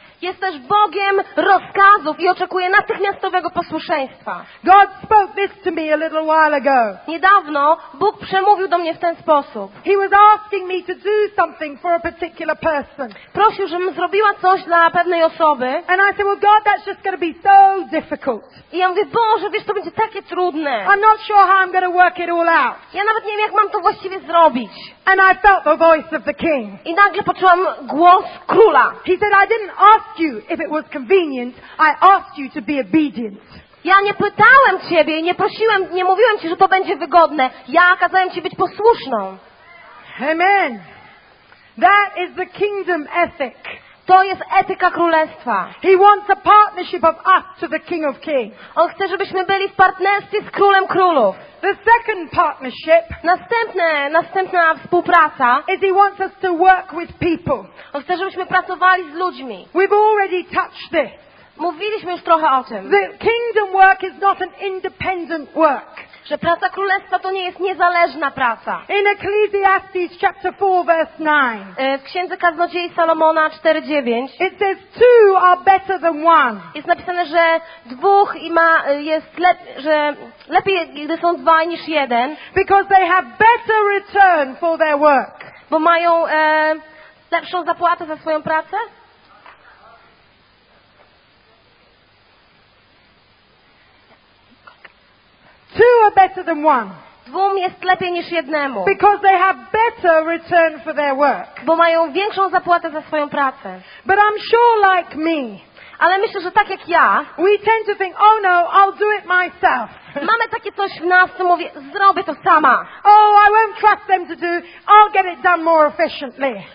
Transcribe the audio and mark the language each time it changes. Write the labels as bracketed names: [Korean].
[Polish] Jest też Bogiem rozkazów i oczekuje natychmiastowego posłuszeństwa. [English] God spoke this to me a little while ago. [Polish] Niedawno Bóg przemówił do mnie w ten sposób. [English] He was asking me to do something for a particular person. [Polish] Prosił, żebym zrobiła coś dla pewnej osoby. [English] And I said, well, God, that's just going to be so difficult. [Polish] I ja mówię, Boże, wiesz, to będzie takie trudne. [English] I'm not sure how I'm going to work it all out. [Polish] Ja nawet nie wiem, jak mam to właściwie zrobić. [English] And I felt the voice of the King. [Polish] I nagle poczułam głos króla. [English] He said, I didn't ask you if it was convenient. I asked you to be obedient. [Polish] Ja nie pytałem ciebie, nie prosiłem, nie mówiłem ci, że to będzie wygodne. Ja kazałem ci być posłuszną. Amen. [English] That is the kingdom ethic. [Polish] To jest etyka królestwa. [English] He wants a partnership of us to the King of Kings. [Polish] On chce, żebyśmy byli w partnerstwie z Królem Królów. [English] The second partnership. [Polish] Następna współpraca. [English] Is He wants us to work with people. [Polish] On chce, żebyśmy pracowali z ludźmi. [English] We've already touched this. [Polish] Mówiliśmy już trochę o tym. [English] The kingdom work is not an independent work. [Polish] Że praca królestwa to nie jest niezależna praca. [English] In Ecclesiastes chapter 4 verse 9. [Polish] W Księdze Kaznodziei Salomona 4:9. [English] It says two are better than one. [Polish] Jest napisane, że dwóch i ma jest że lepiej gdy są dwa niż jeden. [English] Because they have better return for their work. [Polish] Bo mają lepszą zapłatę za swoją pracę. [English] Two are better than one. [Polish] Dwóm jest lepiej niż jednemu. [English] Because they have better return for their work. [Polish] Bo mają większą zapłatę za swoją pracę. [English] But I'm sure like me. [Polish] Ale myślę, że tak jak ja. [English] We tend to think, oh no, I'll do it myself. [Polish] Mamy takie coś w nas, co mówię, zrobię to sama. [English] Oh, I won't trust them to do. I'll get it done more efficiently.